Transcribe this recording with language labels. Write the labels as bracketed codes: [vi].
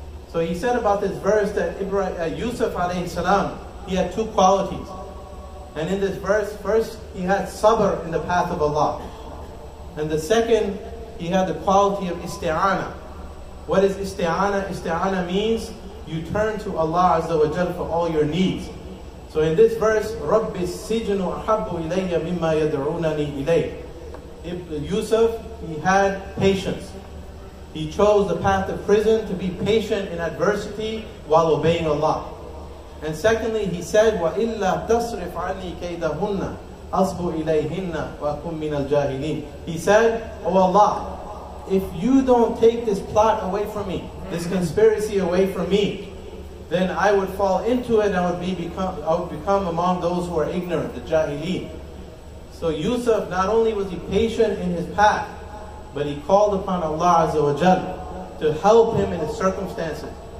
[en] So he said about this verse that Yusuf alayhi salam, he had two qualities. And in this verse, first he had sabr in the path of Allah. And the second, he had the quality of isti'ana. What is isti'ana? Isti'ana means you turn to Allah Azza wa Jal for all your needs. So in this verse, [ar] رَبِّ السِّجْنُ أَحَبُّ إِلَيَّ مِمَّا يَدْعُونَنِي إِلَيْهِ. [en] Yusuf, he had patience. He chose the path of prison to be patient in adversity while obeying Allah. And secondly, he said, [ar] وَإِلَّا تَصْرِفْ عَنِّي كَيْدَهُنَّ أَصْبُ إِلَيْهِنَّ وَأَكُمْ مِنَ الْجَاهِلِينَ. [en] He said, oh Allah, if you don't take this plot away from me, this conspiracy away from me, then I would fall into it and I would become among those who are ignorant, the jahileen. So Yusuf, not only was he patient in his path, but he called upon Allah Azza wa Jal to help him in his circumstances.